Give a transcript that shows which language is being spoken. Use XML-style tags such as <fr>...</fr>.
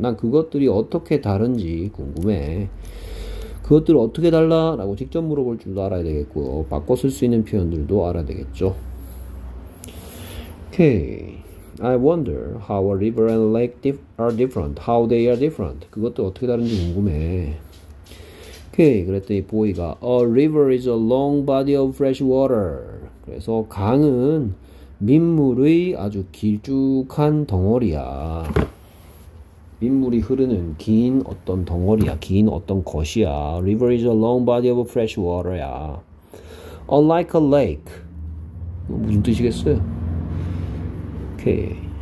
<ko>난 그것들이 어떻게 다른지 궁금해. 그것들을 어떻게 달라라고 직접 물어볼 줄도 알아야 되겠고요. 바꿔 쓸수 있는 표현들도 알아야 되겠죠.</ko> <en>Okay. I wonder how a river and a lake are different. How they are different.</en> <ko>그것들 어떻게 다른지 궁금해.</ko> <en>Okay.</en> <ko>오케이. 그랬더니 보이가</ko> <en>A river is a long body of fresh water.</en> <ko>그래서 강은 민물의 아주 길쭉한 덩어리야. 민물이 흐르는 긴 어떤 덩어리야, 긴 어떤 것이야.</ko> <en>River is a long body of fresh water야. Unlike a lake.</en> <ko>무슨 뜻이겠어요? 오케이.</ko>